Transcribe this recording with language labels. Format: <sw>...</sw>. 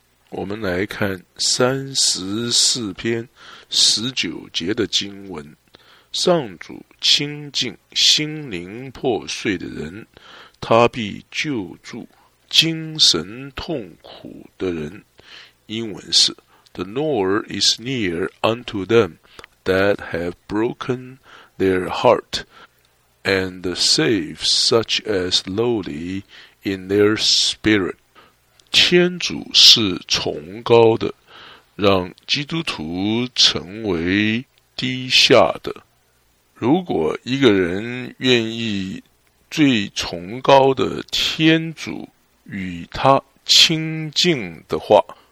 <zh>我们来看34篇19节的经文，上主亲近心灵破碎的人，他必救助精神痛苦的人。英文是</zh> <en>The Lord is near unto them that have broken their heart, and saves such as lowly in their spirit.</en> <zh>天主是崇高的，让基督徒成为低下的。如果一个人愿意最崇高的天主与他亲近的话，</zh>